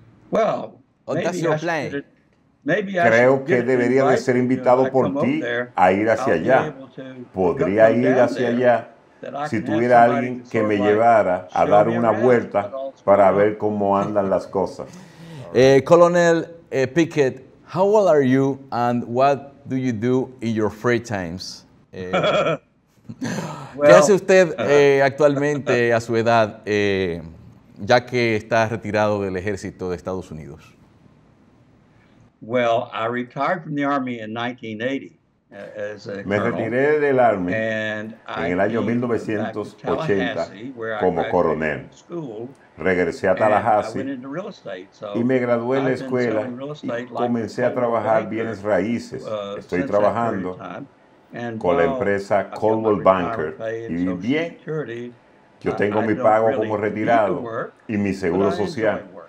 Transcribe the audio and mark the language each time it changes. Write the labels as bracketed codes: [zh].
[en] Well, maybe I should [es] Creo que debería de ser invitado por ti a ir hacia allá. Podría ir hacia allá si tuviera alguien que me llevara a dar una vuelta para ver cómo andan las cosas. [en] Colonel Pickett, how old are you and what do you do in your free times? [es] ¿Qué hace usted actualmente a su edad, ya que está retirado del ejército de Estados Unidos? [en] Well, I retired from the Army in 1980 as a colonel. [es] Me retiré del Army en el año 1980 como coronel. Regresé a Tallahassee y me gradué en la escuela y comencé a trabajar bienes raíces. Estoy trabajando con la empresa Coldwell Banker y bien, yo tengo mi pago como retirado y mi seguro social.